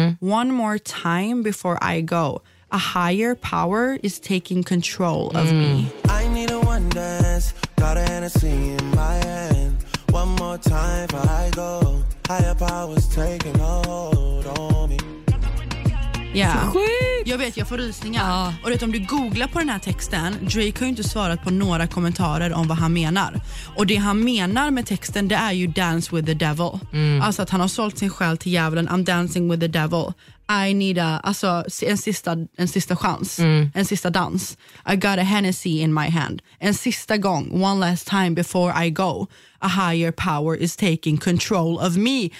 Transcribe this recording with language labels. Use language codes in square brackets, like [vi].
[en] One more time before I go. A higher power is taking control of me. I need a one dance. Got a Hennessy in my hand. One more time before I go. Higher power's taking hold on me. Yeah. [sv] Jag vet, jag får rysningar. Ja. Och vet, om du googlar på den här texten, Drake har ju inte svarat på några kommentarer om vad han menar. Och det han menar med texten, det är ju [en] dance with the devil. [sv] Alltså att han har sålt sin själ till djävulen. [en] I'm dancing with the devil. I need a, [sv] alltså en sista chans. En sista dans. [en] I got a Hennessy in my hand. [sv] En sista gång, [en] one last time before I go. A higher power is taking control of me.